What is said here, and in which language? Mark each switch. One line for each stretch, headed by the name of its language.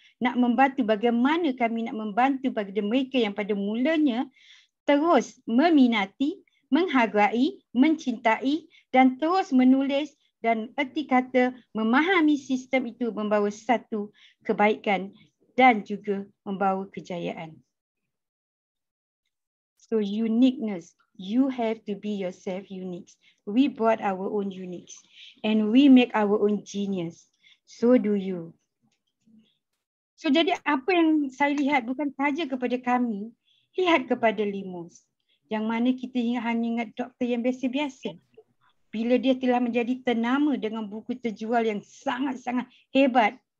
Malay: Nak membantu bagaimana kami nak membantu pada mereka yang pada mulanya terus meminati, menghargai, mencintai dan terus menulis dan erti kata memahami sistem itu membawa satu kebaikan dan juga membawa kejayaan.
English: So uniqueness, you have to be yourself unique. We brought our own uniques and we make our own genius. So do you.
Malay: So jadi apa yang saya lihat bukan saja kepada kami, lihat kepada Limus. Yang mana kita hanya ingat doktor yang biasa-biasa. Bila dia telah menjadi ternama dengan buku terjual yang sangat-sangat hebat.